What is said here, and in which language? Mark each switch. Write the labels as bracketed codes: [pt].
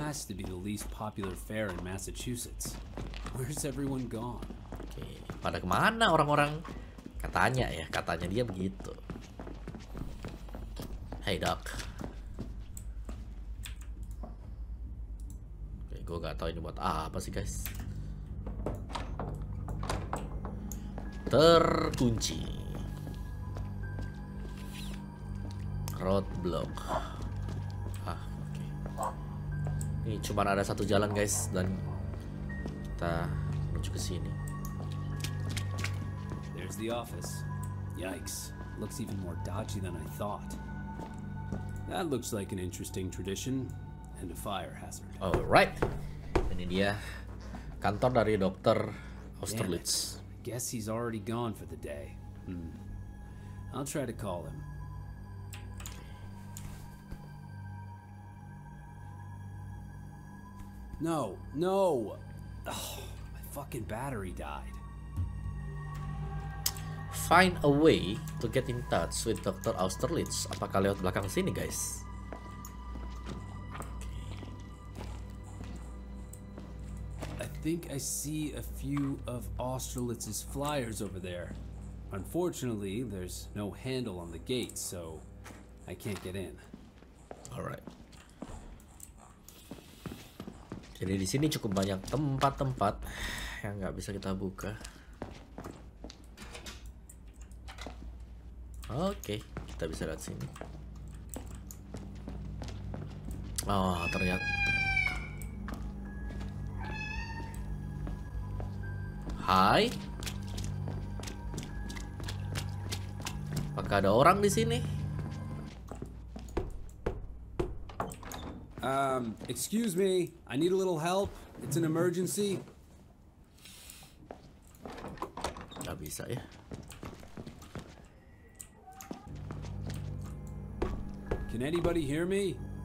[en] Has to be the least popular fair in Massachusetts. Where's everyone gone? [id] Oke, pada kemana orang-orang? Katanya ya, katanya dia begitu. [en] Hey Doc. [id] Oke, gue gak tahu ini buat apa sih guys. Terkunci. [en] Roadblock. Ah, oke. Okay. [id] Ini cuma ada satu jalan, guys, dan kita menuju ke sini. [en] There's the office. Yikes, looks even more dodgy than I thought. That looks like an interesting tradition and a fire hazard. [id] Alright, ini dia kantor dari Dr. Austerlitz. [en] Guess he's already gone for the day. I'll try to call him. No, no! Oh, my fucking battery died. Find a way to get in touch with Dr. [id] Austerlitz. Apakah lewat belakang sini, guys? [en] I think I see a few of Austerlitz's flyers over there. Unfortunately, there's no handle on the gate, so I can't get in. All right. [id] Jadi di sini cukup banyak tempat-tempat yang nggak bisa kita buka. Oke, kita bisa lihat sini. Oh, ternyata. Hai. Apakah ada orang di sini? [en] Excuse me, I need a little help. It's an emergency. [id] Gak bisa ya. [en] Can anybody hear me?